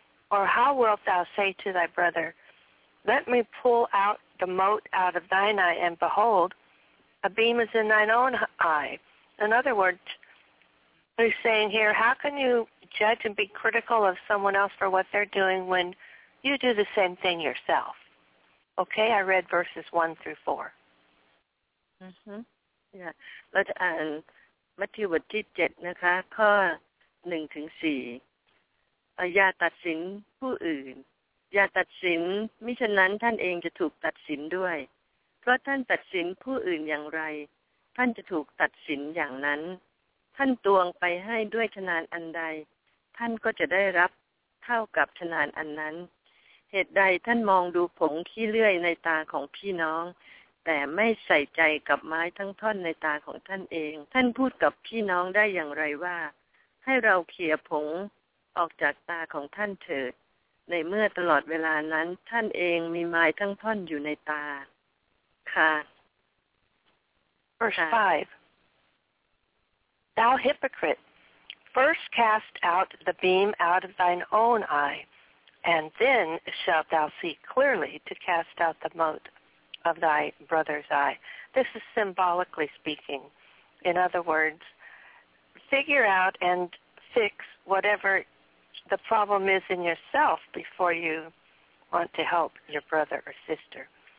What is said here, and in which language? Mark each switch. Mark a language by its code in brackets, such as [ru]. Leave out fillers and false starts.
[en] Or how wilt thou say to thy brother, let me pull out the mote out of thine eye, and behold, a beam is in thine own eye? In other words, he's saying here, how can you judge and be critical of someone else for what they're doing when you do the same thing yourself? Okay, I read verses 1 through 4. [th] เราจะอ่านมัทธิวบทที่7นะคะข้อ1ถึง4อย่าตัดสินผู้อื่นอย่าตัดสินมิฉะนั้นท่านเองจะถูกตัดสินด้วยเพราะท่านตัดสินผู้อื่นอย่างไร ท่านจะถูกตัดสินอย่างนั้นท่านตวงไปให้ด้วยชนานอันใดท่านก็จะได้รับเท่ากับชนานอันนั้นเหตุใดท่านมองดูผงขี้เลื่อยในตาของพี่น้องแต่ไม่ใส่ใจกับไม้ทั้งท่อนในตาของท่านเองท่านพูดกับพี่น้องได้อย่างไรว่าให้เราเขี่ยผงออกจากตาของท่านเถิด ในเมื่อตลอดเวลานั้นท่านเองมีไม้ทั้งท่อนอยู่ในตาค่ะ [en] Verse 5 Thou hypocrite, first cast out the beam out of thine own eye, and then shalt thou see clearly to cast out the mote of thy brother's eye. This is symbolically speaking. In other words, figure out and fix whatever the problem is in yourself before you want to help your brother or sister.